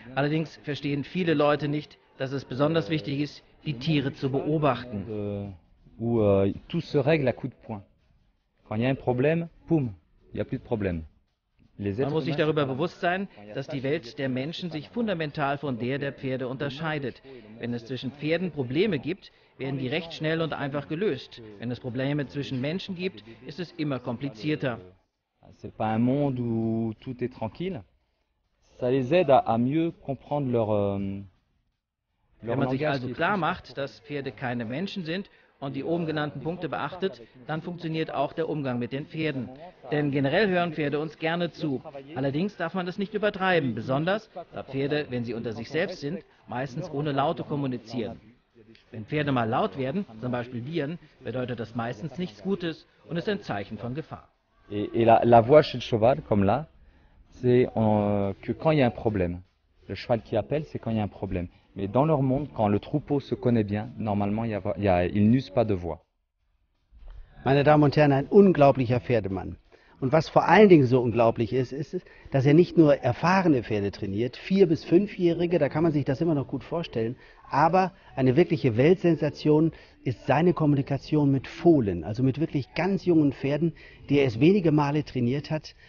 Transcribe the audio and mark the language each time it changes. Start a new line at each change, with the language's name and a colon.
German: Allerdings verstehen viele Leute nicht, dass es besonders wichtig ist, die Tiere zu beobachten.
French: Tout se règle à coup de poing. Quand il y a un problème, poum, il y a plus de problème.
German: Man muss sich darüber bewusst sein, dass die Welt der Menschen sich fundamental von der der Pferde unterscheidet. Wenn es zwischen Pferden Probleme gibt, werden die recht schnell und einfach gelöst. Wenn es Probleme zwischen Menschen gibt, ist es immer komplizierter.
French: C'est pas un monde où tout est tranquille. Ça les aide à mieux comprendre leur
German: Wenn man sich also klar macht, dass Pferde keine Menschen sind und die oben genannten Punkte beachtet, dann funktioniert auch der Umgang mit den Pferden. Denn generell hören Pferde uns gerne zu. Allerdings darf man das nicht übertreiben, besonders da Pferde, wenn sie unter sich selbst sind, meistens ohne Laute kommunizieren. Wenn Pferde mal laut werden, zum Beispiel Bieren, bedeutet das meistens nichts Gutes und ist ein Zeichen von Gefahr.
French: La voix chez le cheval, comme là, c'est que quand il y a un problème. Le cheval qui appelle, c'est quand il y a un problème. Mais dans leur monde, quand le troupeau se connaît bien, normalement, ils n'usent pas de voix.
German: Meine Damen und Herren, ein unglaublicher Pferdemann. Und was vor allen Dingen so unglaublich ist, ist, dass er nicht nur erfahrene Pferde trainiert, 4- bis 5-Jährige, da kann man sich das immer noch gut vorstellen, aber eine wirkliche Weltsensation ist seine Kommunikation mit Fohlen, also mit wirklich ganz jungen Pferden, die er erst wenige Male trainiert hat.